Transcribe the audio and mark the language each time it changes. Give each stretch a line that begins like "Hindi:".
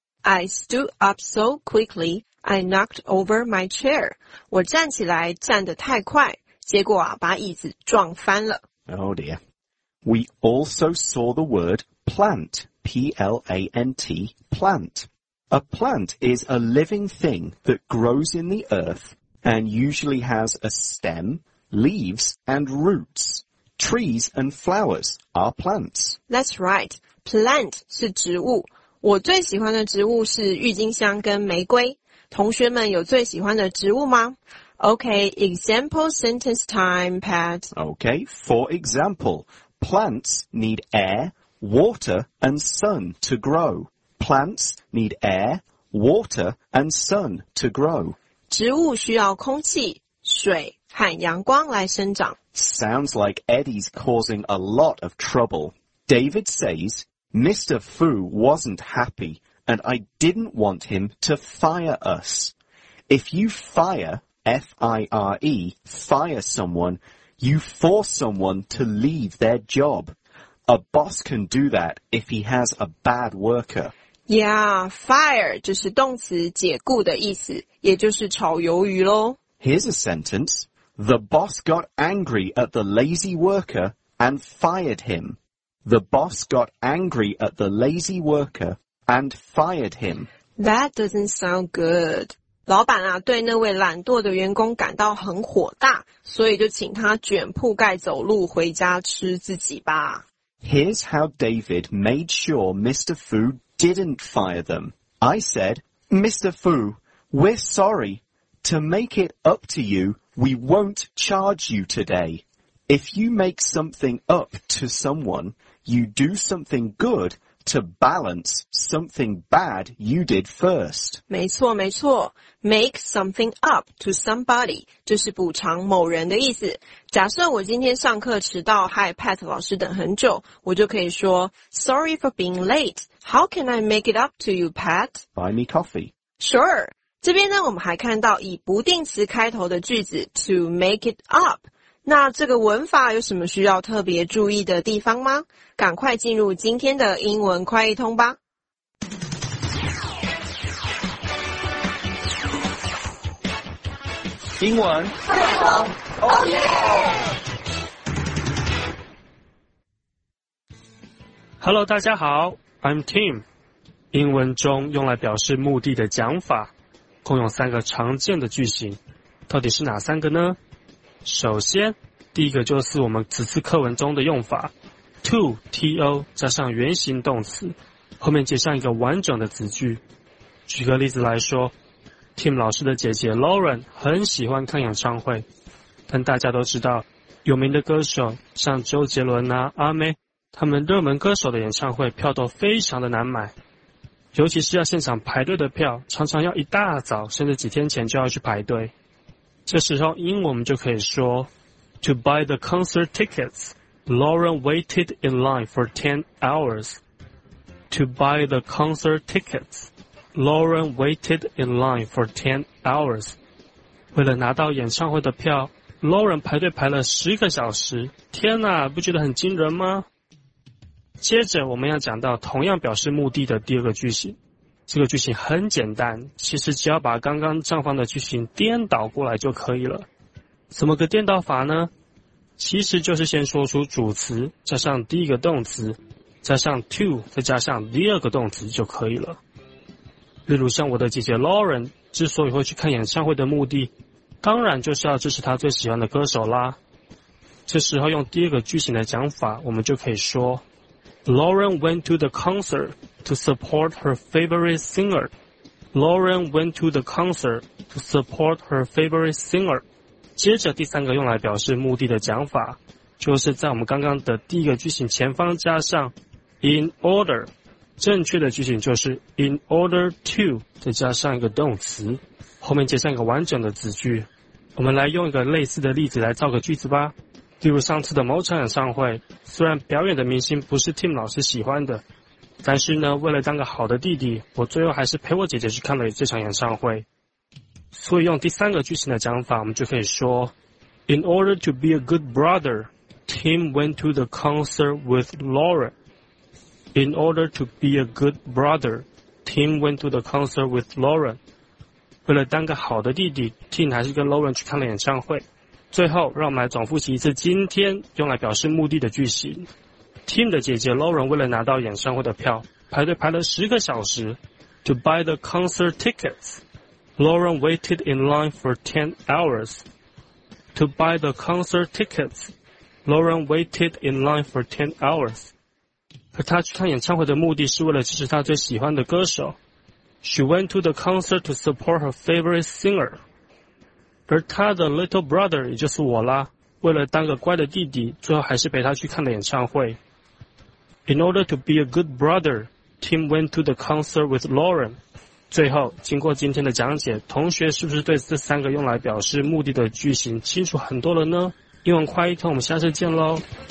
English: I stood up so quickly, I knocked over my chair.
Chinese: 我站起来站得太快，结果啊，把椅子撞翻了。
English: Oh dear. We also saw the word plant, P-L-A-N-T, plant. A plant is a living thing that grows in the earth and usually has a stem, leaves, and roots. Trees and flowers are plants. That's right. Plant
Chinese: 是植物。我最喜欢的植物是郁金香跟玫瑰。同学们有最喜欢的植物吗？
English: Okay, example sentence time, Pat. Okay, for example, plants need air, water, and sun to grow. Plants need air, water, and sun to grow.
Chinese: 植物需要空气、水和阳光来生长。
English: Sounds like Eddie's causing a lot of trouble. David says, Mr. Fu wasn't happy and I didn't want him to fire us. If you fire, F-I-R-E, fire someone, you force someone to leave their job. A boss can do that if he has a bad worker.
Chinese: Yeah, fire 就是动词解雇的意思，也就是炒鱿鱼咯。
English: Here's a sentence. The boss got angry at the lazy worker and fired him. The boss got angry at the lazy worker and fired him. That doesn't sound good.
Chinese: 老板啊，对那位懒惰的员工感到很火大，所以就请他卷铺盖走路回家吃自己吧。
English: Here's how David made sure Mr. Fu didn't fire them. I said, Mr. Fu, we're sorry. To make it up to you, we won't charge you today. If you make something up to someone, you do something good to balance something bad you did first.
Chinese: 没错没错 ,
English: make something up to somebody,
Chinese: 就是补偿某人的意思。假设我今天上课迟到害 Pat 老师等很久，我就可以说 ,
English: Sorry for being late, how can I make it up to you, Pat? Buy me coffee. Sure.
Chinese: 这边呢我们还看到以不定词开头的句子
English: to make it up。
Chinese: 那这个文法有什么需要特别注意的地方吗？赶快进入今天的英文快译通吧。英文快译通 ，
English: Oh yeah！ Hello，
Chinese: 大家好
English: ，I'm Tim。
Chinese: 英文中用来表示目的的讲法，共有三个常见的句型，到底是哪三个呢？首先，第一个就是我们此次课文中的用法 to T-O 加上原形动词，后面接上一个完整的子句。举个例子来说， Tim 老师的姐姐 Lauren 很喜欢看演唱会，但大家都知道有名的歌手像周杰伦啊、阿妹他们热门歌手的演唱会票都非常的难买，尤其是要现场排队的票常常要一大早甚至几天前就要去排队。这时候英文我们就可以说
English: To buy the concert tickets, Lauren waited in line for 10 hours. To buy the concert tickets, Lauren waited in line for 10 hours.
Chinese: 为了拿到演唱会的票， Lauren 排队排了10个小时。天哪，不觉得很惊人吗？接着我们要讲到同样表示目的的第二个句型。这个句型很简单，其实只要把刚刚上方的句型颠倒过来就可以了。怎么个颠倒法呢？其实就是先说出主词加上第一个动词加上 to 再加上第二个动词就可以了。例如像我的姐姐 Lauren 之所以会去看演唱会的目的，当然就是要支持她最喜欢的歌手啦。这时候用第二个句型的讲法，我们就可以说
English: Lauren went to the concert to support her favorite singer. Lauren went to the concert to support her favorite singer.
Chinese: 接着第三个用来表示目的的讲法，就是在我们刚刚的第一个句型前方加上 in order， 正确的句型就是 in order to 再加上一个动词，后面接上一个完整的子句。我们来用一个类似的例子来造个句子吧。例如上次的某场演唱会，虽然表演的明星不是 Tim 老师喜欢的，但是呢，为了当个好的弟弟，我最后还是陪我姐姐去看了这场演唱会。所以用第三个句型的讲法，我们就可以说
English: In order to be a good brother, Tim went to the concert with Lauren. In order to be a good brother, Tim went to the concert with Lauren.
Chinese: 为了当个好的弟弟， Tim 还是跟 Lauren 去看了演唱会。最后让我们来总复习一次今天用来表示目的的句型。 Tim 的姐姐 Lauren 为了拿到演唱会的票排队排了10个小时
English: To buy the concert tickets,Lauren waited in line for 10 hours. To buy the concert tickets, Lauren waited in line for 10 hours.
Chinese: 而她去看演唱会的目的是为了支持她最喜欢的歌手。
English: She went to the concert to support her favorite singer.
Chinese: 而她的
English: little brother,
Chinese: 也就是我啦，为了当个乖的弟弟，最后还是陪她去看了演唱会。
English: In order to be a good brother, Tim went to the concert with Lauren.
Chinese: 最后经过今天的讲解，同学是不是对这三个用来表示目的的句型清楚很多了呢？英文快译通，我们下次见咯。